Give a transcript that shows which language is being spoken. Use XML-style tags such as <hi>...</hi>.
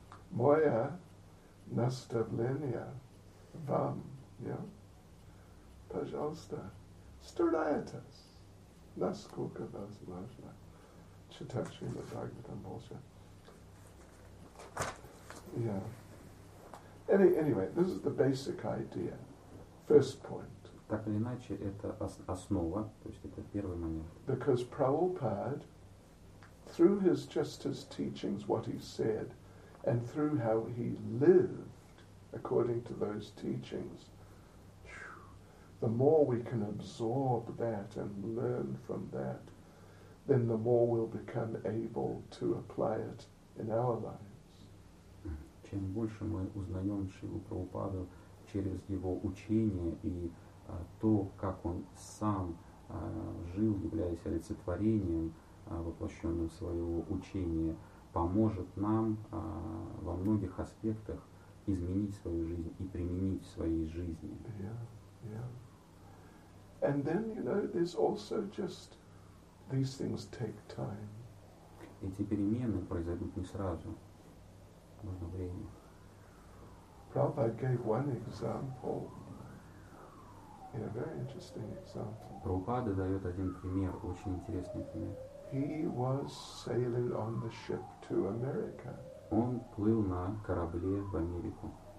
<ru>Моя наставление вам, пожалуйста, старайтесь, насколько возможно, читать Шрила Бхагаватам больше.</ru> <en>Yeah. Anyway, this is the basic idea. First point.</en> <ru>Так или иначе, это основа, то есть это первый момент.</ru> <en>Because Prabhupada, through his just his teachings, what he said, and through how he lived according to those teachings, the more we can absorb that and learn from that, then the more we'll become able to apply it in our lives.</en> <ru>Чем больше мы узнаем Шрилу Прабхупаду через его учение и то, как он сам жил, являясь олицетворением, воплощенным в свое учение, поможет нам во многих аспектах изменить свою жизнь и применить в своей жизни.</ru> <en>And then, you know, there's also just these things take time.</en> <ru>Эти перемены произойдут не сразу. Нужно время.</ru> <en>Prabhupada gave one example, a very interesting example.</en> <ru>Прабхупада дает один пример, очень интересный пример.</ru> <en>He was sailing on the ship to America.</en> <ru>Он плыл на корабле в Америку.</ru>